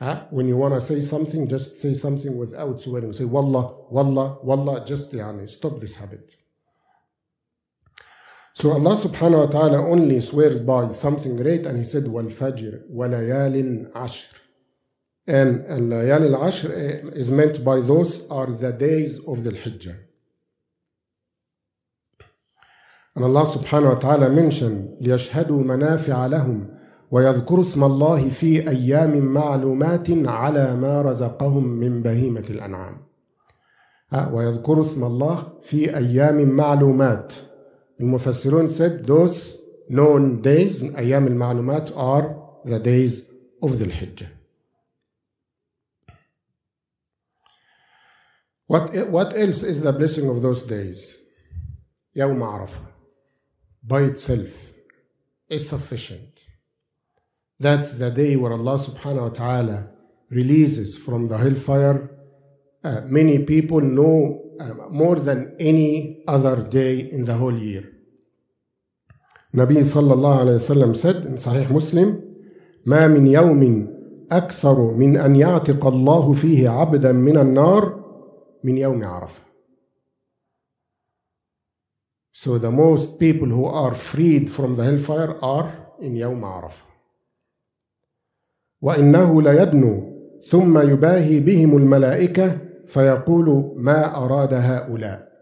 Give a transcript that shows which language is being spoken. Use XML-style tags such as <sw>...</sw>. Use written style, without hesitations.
<en>When you want to say something, just say something without swearing. Say, Wallah, Wallah, Wallah, just yani, stop this habit. So Allah subhanahu wa ta'ala only swears by something great, and he said,</en> <ar>وَالْفَجْرِ وَلَيَالٍ عَشْرِ.</ar> <en>And Layal al-Ashr is meant by those are the days of the Hijjah. And Allah subhanahu wa ta'ala mentioned,</en> <ar>لِيَشْهَدُوا مَنَافِعَ لَهُمْ وَيَذْكُرُ اسْمَ اللَّهِ فِي أَيَّامٍ مَعْلُومَاتٍ عَلَى مَا رَزَقَهُمْ مِنْ بَهِيمَةِ الْأَنْعَامِ. وَيَذْكُرُ اسْمَ اللَّهِ فِي أَيَّامٍ مَعْلُومَاتٍ.</ar> <en>المفسرون said those known days,</en> <ar>أيام المعلومات,</ar> <en>are the days of the Hijjah. What else is the blessing of those days? Yawm Arafah. By itself is sufficient. That's the day where Allah subhanahu wa ta'ala releases from the hellfire many people more than any other day in the whole year. Nabi sallallahu alayhi wa sallam said in Sahih Muslim,</en> <ar>مَا مِنْ يَوْمٍ أَكْثَرُ مِنْ أَنْ يَعْتِقَ اللَّهُ فِيهِ عَبْدًا مِنَ النَّارِ مِنْ يَوْمِ عَرَفَةٍ.</ar> <en>So the most people who are freed from the hellfire are in يوم عرفة.</en> <ar>وَإِنَّهُ لَيَدْنُو ثُمَّ يُبَاهِي بِهِمُ الْمَلَائِكَةِ فَيَقُولُ مَا أَرَادَ هَؤُلَاءِ.</ar>